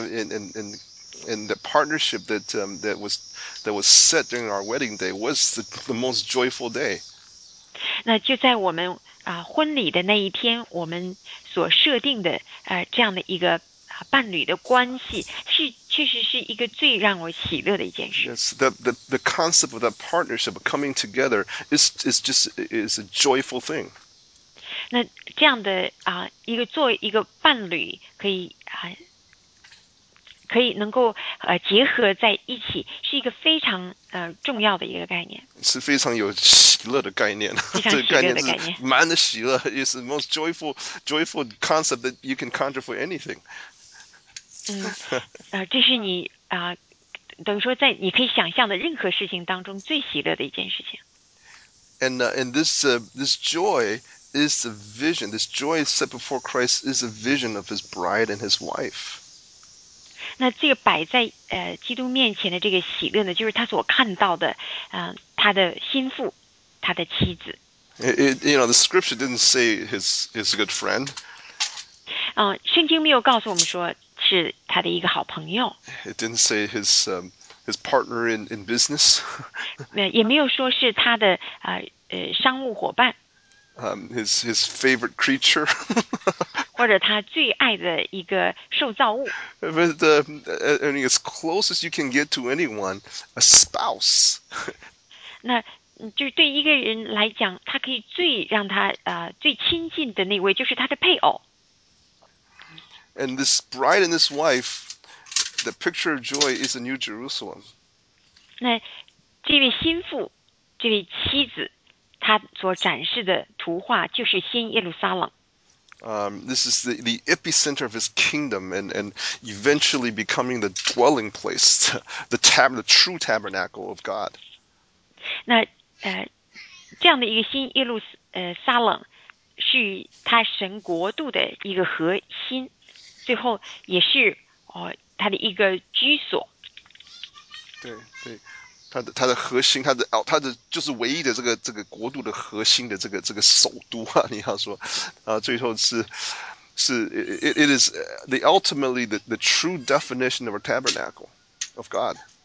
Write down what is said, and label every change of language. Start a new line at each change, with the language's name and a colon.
English: And the partnership that was set during our wedding day was the most joyful day.
Chinese: 那就在我们婚礼的那一天，我们所设定的这样的一个伴侣的关系，是确实是一个最让我喜乐的一件事。
English: Yes, the concept of that partnership coming together is a joyful thing.
Chinese: 那这样的一个作为一个伴侣可以可以能够结合在一起，是一个非常重要的一个概念，是非常有喜乐的概念，这个概念是满的喜乐，也是
English: the most joyful concept that you can conjure for anything。
Chinese: 这是你等于说在你可以想象的任何事情当中最喜乐的一件事情。
English: And this joy is the vision. This joy set before Christ is a vision of His bride and His wife.
Chinese: 那这个摆在基督面前的这个喜乐呢，就是他所看到的，他的心腹，他的妻子。
English: You know, the scripture didn't say his good friend.
Chinese: 圣经没有告诉我们说是他的一个好朋友。
English: It didn't say his partner in business.
Chinese: 也没有说是他的商务伙伴。
English: His favorite creature.
Chinese: 或者他最爱的一个受造物。
English: But as close as you can get to anyone, a spouse.
Chinese: 那就是对一个人来讲，他可以最让他最亲近的那位就是他的配偶。
English: And this bride and this wife, the picture of joy is a new Jerusalem.
Chinese: 那这位新妇，这位妻子，她所展示的图画就是新耶路撒冷。
English: This is the epicenter of his kingdom and eventually becoming the dwelling place, the true tabernacle of God.
Chinese: 那这样的一个新耶路撒冷是他神国度的一个核心，最后也是他的一个居所。对，他的核心，他的就是唯一的这个国度的核心的这个首都啊，你要说，最后是
English: it is the ultimately the true definition of a tabernacle of God。